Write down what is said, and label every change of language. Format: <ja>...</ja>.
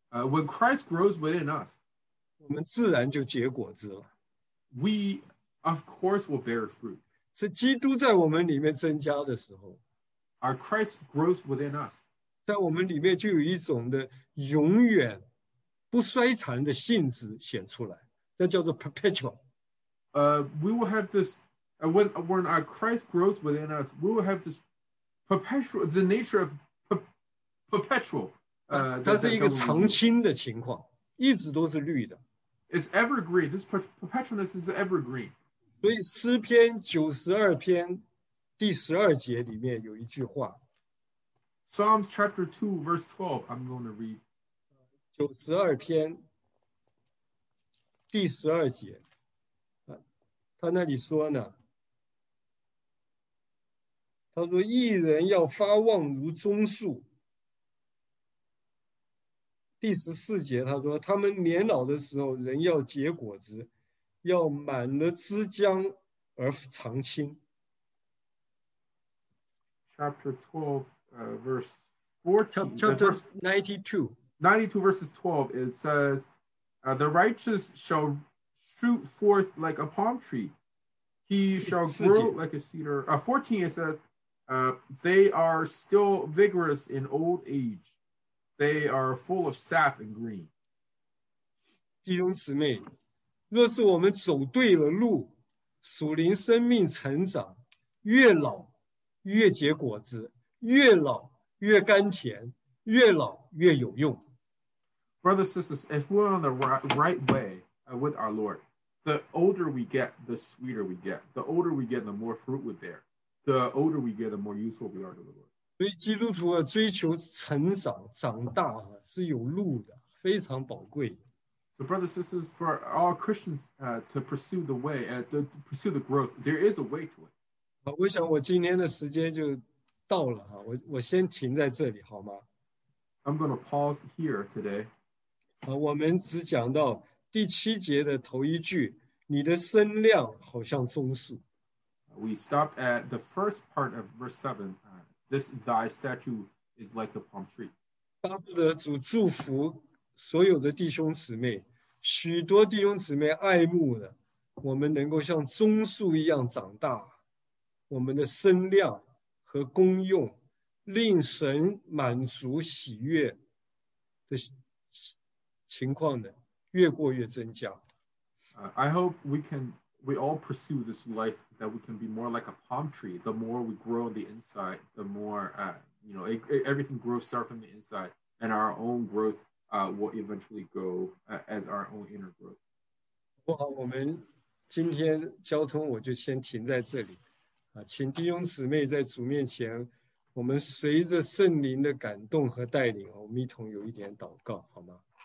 <en>when Christ grows within us,</en> <zh>我们自然就结果子了。</zh> <en>We, of course, will bear fruit.</en> <zh>是基督在我们里面增加的时候。</zh> <en>Our Christ grows within us.</en> <zh>在我们里面就有一种的永远不衰残的性质显出来，这叫做 perpetual.</zh> <en>We will have this, when our Christ grows within us, we will have this perpetual, the nature of perpetual.</en> <zh>它是一个常青的情况，一直都是绿的。</zh> <en>It's evergreen. This perpetualness is evergreen.</en> <zh>所以诗篇九十二篇第十二节里面有一句话。</zh> <en>Psalms chapter 2 verse 12, I'm going to read.</en> <zh>九十二篇第十二节，他那里说呢，他说义人要发旺如棕树。第十四节他说，他们年老的时候人要结果子，要满了枝浆而长青。</zh> <en>Chapter 12 verse 14 Chapter 92 verses 12, it says, the righteous shall shoot forth like a palm tree. He shall grow like a cedar. 14, it says, they are still vigorous in old age. They are full of sap and green.</en> <zh>弟兄姊妹，若是我们走对了路，属灵生命成长，越老越结果子，越老越甘甜，越老越有用。</zh> <en>Brothers, sisters, if we're on the right way with our Lord, the older we get, the sweeter we get. The older we get, the more fruit we bear. The older we get, the more useful we are to the Lord.</en> <zh>所以基督徒啊，追求成长、长大啊，是有路的，非常宝贵。</zh> <en>So, brothers, sisters, for all Christians to pursue the way, to pursue the growth, there is a way to it.</en> <zh>好，我想我今天的时间就到了哈，我先停在这里好吗</zh> <en>？I'm going to pause here today.</en> <zh>我们只讲到第七节的头一句，你的身量好像棕树。</zh> <en>We stopped at the first part of verse 7. This thy statue is like the palm tree.</en> <zh>巴不得主祝福所有的弟兄姊妹，许多弟兄姊妹爱慕的，我们能够像棕树一样长大，我们的身量和功用，令神满足喜悦的情况呢，越过越增加。</zh> <en>I hope we all pursue this life that we can be more like a palm tree. The more we grow on the inside, the more, everything grows start from the inside, and our own growth will eventually go as our own inner growth.</en> <zh>不好，我们今天交通我就先停在这里。请弟兄姊妹在主面前，我们随着圣灵的感动和带领，我们一同有一点祷告，好吗？</zh>